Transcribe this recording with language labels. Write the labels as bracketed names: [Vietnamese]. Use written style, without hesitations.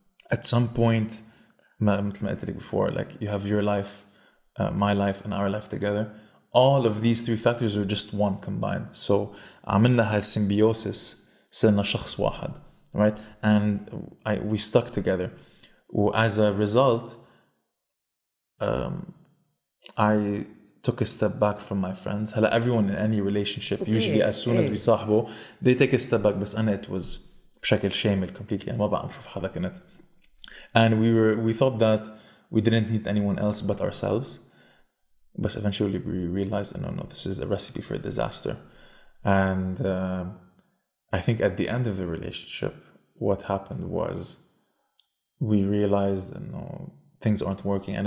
[English] At some point, like you have your life, my life, and our life together. All of these three factors are just one combined. [Arabic] So عملنا هالسيمبيوسيس, صرنا شخص واحد, right? [English] And we stuck together. As a result, I took a step back from my friends. هلا everyone in any relationship, okay, usually as soon, okay, as بيصاحبوا, they take a step back. [Arabic] بس أنا [English] it was [Arabic] بشكل شامل completely. أنا ما بقى عم شوف حدا كنت. [English] And we thought that we didn't need anyone else but ourselves. But eventually we realized, no, this is a recipe for a disaster. And I think at the end of the relationship, what happened was we realized, things aren't working.